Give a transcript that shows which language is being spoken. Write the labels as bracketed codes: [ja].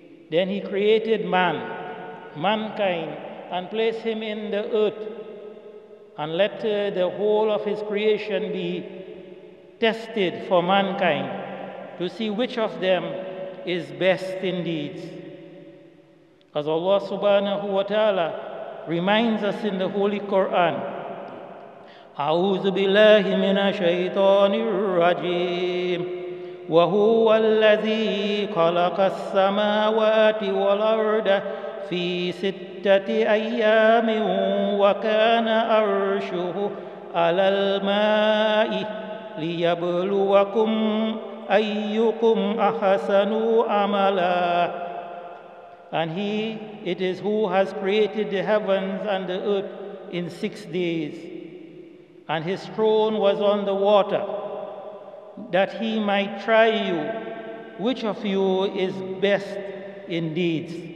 [en] Then he created mankind, and placed him in the earth and let the whole of his creation be tested for mankind to see which of them is best in deeds. As Allah subhanahu wa ta'ala reminds us in the Holy Quran, [ar] أعوذ بالله من الشيطان الرجيم وهو الذي خلق السماوات والأرض في ستة أيام وكان أرشه على الماء ليبلوكم أيكم أحسن عملا. [en] And he, it is who has created the heavens and the earth in 6 days. And his throne was on the water, that he might try you, which of you is best in deeds.